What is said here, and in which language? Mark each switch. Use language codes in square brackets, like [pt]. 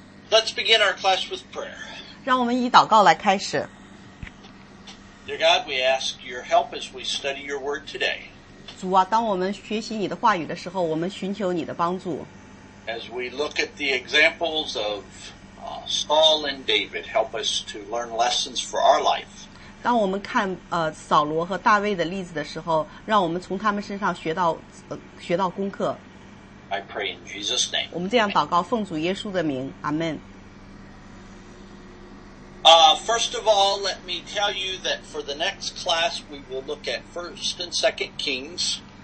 [en] Let's begin our class with prayer. [zh] 让我们以祷告来开始。 [en] Dear God, we ask your help as we study your word today. [zh] 主啊，当我们学习你的话语的时候，我们寻求你的帮助。 [en] As we look at the examples of Saul and David, help us to learn lessons for our life. [zh] 当我们看扫罗和大卫的例子的时候，让我们从他们身上学到学到功课。 [en] I pray in Jesus' name. [zh] 我们这样祷告，奉主耶稣的名，阿门。 [en] First of all, let me tell you that for the next class, we will look at 1st and 2nd Kings.